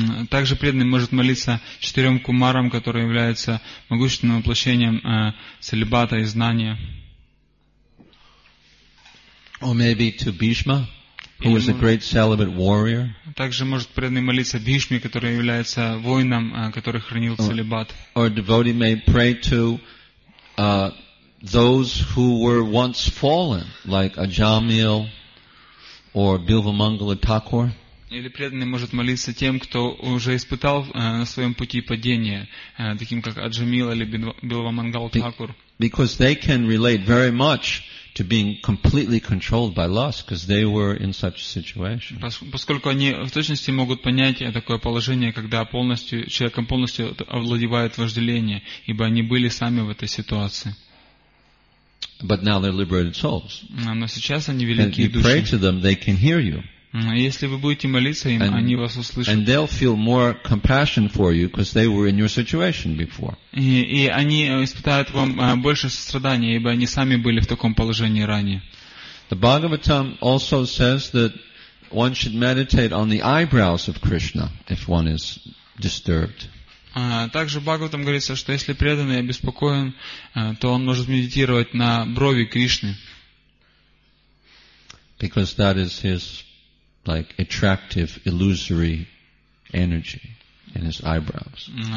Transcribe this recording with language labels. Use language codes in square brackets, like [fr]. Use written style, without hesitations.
[ru] Также преданный может молиться четырем кумарам, которые являются могущественным воплощением целибата и знания. [en] Or maybe to Bhishma, who was a great celibate warrior. [ru] Также может преданный молиться Бхишме, который является воином, который хранил целибат. [en] Or a devotee may pray to those who were once fallen, like Ajamil or Bilvamangala Thakur. [ru] Или преданный может молиться тем, кто уже испытал на своем пути падение, таким как Аджамила или Билва Мангал Такур. [en] Because they can relate very much to being completely controlled by lust, because they were in such a situation. [ru] Поскольку они в точности могут понять такое положение, когда полностью человеком полностью овладевает вожделение, ибо они были сами в этой ситуации. [en] But now they're liberated souls. [ru] Но сейчас они великие души. [en] And you pray to them, they can hear you. [ru] Если вы будете молиться им, они вас услышат. [en] And they'll feel more compassion for you because they were in your situation before. [ru] И они испытают вам больше сострадания, ибо они сами были в таком положении ранее. [en] The Bhagavatam also says that one should meditate on the eyebrows of Krishna if one is disturbed. [ru] Также Бхагаватам говорится, что если преданный обеспокоен, то он может медитировать на брови Кришны. [en] Because that is his like attractive illusory energy in his eyebrows.